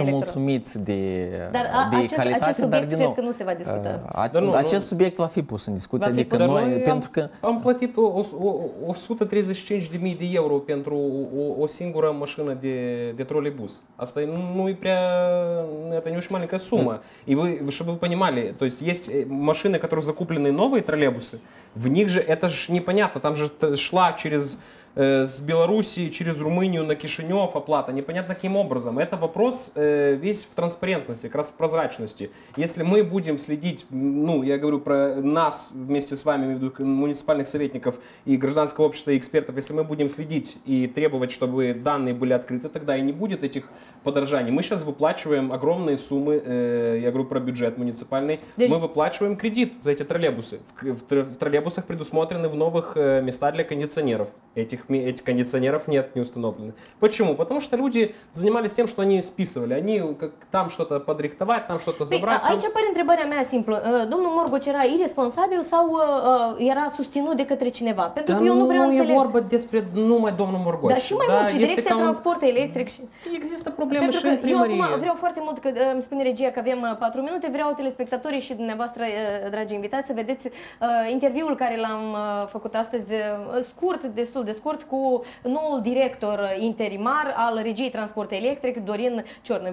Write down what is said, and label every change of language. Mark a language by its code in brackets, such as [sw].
[ro] Tot nu sunt mulțumiți de calitate, dar din nou... Acest subiect cred că nu se va discuta. Acest subiect va fi pus în discuție, adică noi, pentru că am plătit 135.000 de euro pentru o singură mașină de troleibus. Asta nu e prea, asta nu e o mică sumă. Și voi vă [ru] понимали, то есть есть машины, которые закуплены новые троллейбусы. В них же это же непонятно, там же шла через с Белоруссии, через Румынию на Кишинев оплата, непонятно каким образом. Это вопрос весь в транспарентности, как раз в прозрачности. Если мы будем следить, ну, я говорю про нас вместе с вами, ввиду муниципальных советников и гражданского общества и экспертов, если мы будем следить и требовать, чтобы данные были открыты, тогда и не будет этих подорожаний. Мы сейчас выплачиваем огромные суммы, я говорю про бюджет муниципальный, мы выплачиваем кредит за эти троллейбусы. В троллейбусах предусмотрены в новых места для кондиционеров. Этих кондиционеров нет, не установлены. Почему? Потому что люди занимались тем, что они списывали. Они как там что-то подрихтовать, там что-то забрать. [ro] Aici apare întrebarea mea simplă. Domnul Morgoc era irresponsabil sau era susținut de către cineva? Pentru că eu nu vreau să înțeleg. Nu e vorba despre numai domnul Morgoc. Dar și mai mult, și direcția transport electric. Există probleme și în primărie. Pentru că eu vreau foarte mult, că îmi spune regia că avem 4 minute, vreau telespectatorii și dumneavoastră, dragi invitați, să vedeți interviul care l-am făcut astăzi, scurt, destul de scurt, cu noul director interimar al Regiei Transport Electric, Dorin Ciornă.